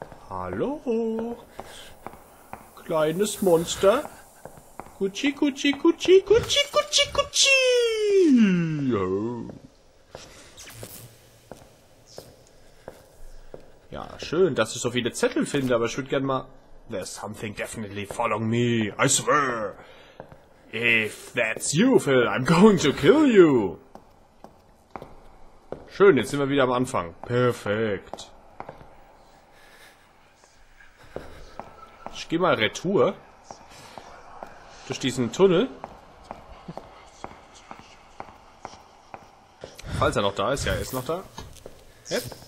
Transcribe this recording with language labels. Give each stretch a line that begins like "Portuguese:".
German: Hallo? Kleines Monster? Kutschi, kutschi, kutschi, kutschi, kutschi, kutschi! Ja, schön, dass ich so viele Zettel finde, aber ich würde gerne mal...
English: There's something definitely following me, I swear! If that's you, Phil, I'm going to kill you!
German: Schön, jetzt sind wir wieder am Anfang. Perfekt. Ich geh mal retour. Durch diesen Tunnel. Falls er noch da ist, ja, er ist noch da. Yep.